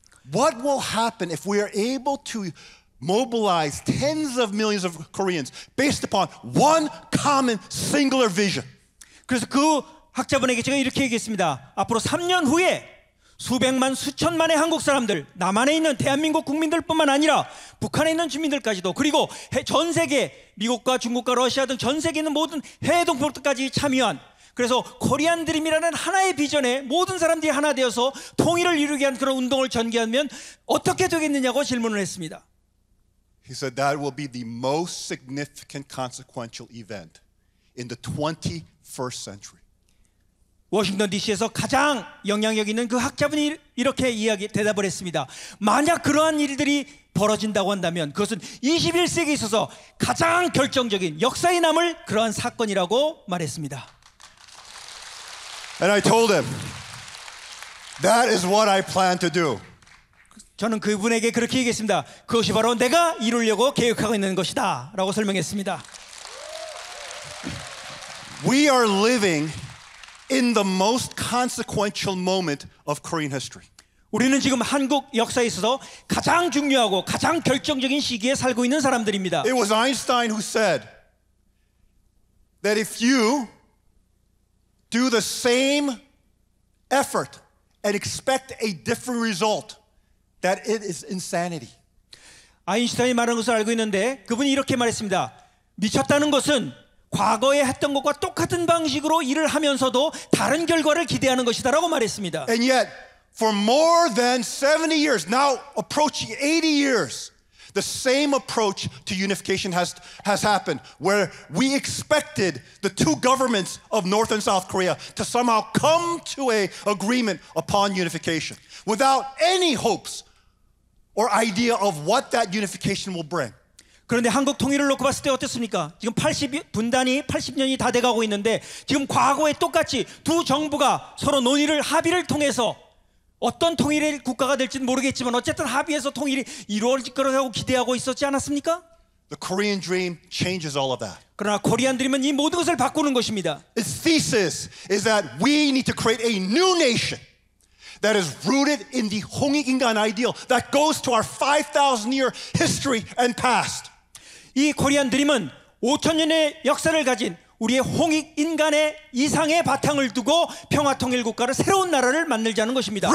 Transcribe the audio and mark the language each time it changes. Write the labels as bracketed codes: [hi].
[en] What will happen if we are able to mobilize tens of millions of Koreans based upon one common singular vision? [ko] 그래서 그 학자분에게 제가 이렇게 얘기했습니다. 앞으로 3년 후에 수백만, 수천만의 한국 사람들, 남한에 있는 대한민국 국민들뿐만 아니라 북한에 있는 주민들까지도 그리고 전 세계, 미국과 중국과 러시아 등 전 세계 있는 모든 해외 동포들까지 참여한 그래서 코리안 드림이라는 하나의 비전에 모든 사람들이 하나 되어서 통일을 이루게 한 그런 운동을 전개하면 어떻게 되겠느냐고 질문을 했습니다. [en] He said that will be the most significant consequential event in the 21st century. [ko] 워싱턴 DC에서 가장 영향력 있는 그 학자분이 이렇게 이야기 대답을 했습니다. 만약 그러한 일들이 벌어진다고 한다면 그것은 21세기에 있어서 가장 결정적인 역사에 남을 그러한 사건이라고 말했습니다. [en] And I told him, that is what I plan to do. [ko] 저는 그분에게 그렇게 얘기했습니다. 그것이 바로 내가 이루려고 계획하고 있는 것이다 라고 설명했습니다. [en] We are living in the most consequential moment of Korean history. [ko] 우리는 지금 한국 역사에 있어서 가장 중요하고 가장 결정적인 시기에 살고 있는 사람들입니다. [en] It was Einstein who said that if you do the same effort and expect a different result, that it is insanity. [ko] 아인슈타인이 말한 것을 알고 있는데 그분이 이렇게 말했습니다. 미쳤다는 것은 과거에 했던 것과 똑같은 방식으로 일을 하면서도 다른 결과를 기대하는 것이다라고 말했습니다. [en] And yet, for more than 70 years, now approaching 80 years, the same approach to unification has happened, where we expected the two governments of North and South Korea to somehow come to an agreement upon unification without any hopes or idea of what that unification will bring. [ko] 그런데 한국 통일을 놓고 봤을 때 어땠습니까? 지금 80년이 다 돼가고 있는데 지금 과거에 똑같이 두 정부가 서로 논의를 합의를 통해서 어떤 통일의 국가가 될지는 모르겠지만 어쨌든 합의해서 통일이 이루어질 거라고 기대하고 있었지 않았습니까? [en] The Korean dream changes all of that. [ko] 그러나 코리안 드림은 이 모든 것을 바꾸는 것입니다. [en] Its thesis is that we need to create a new nation that is rooted in the Hongik-ingan ideal that goes to our 5,000-year history and past. [ko] 이 코리안 드림은 5,000년의 역사를 가진 우리의 홍익 인간의 이상의 바탕을 두고 평화 통일 국가를 새로운 나라를 만들자는 것입니다.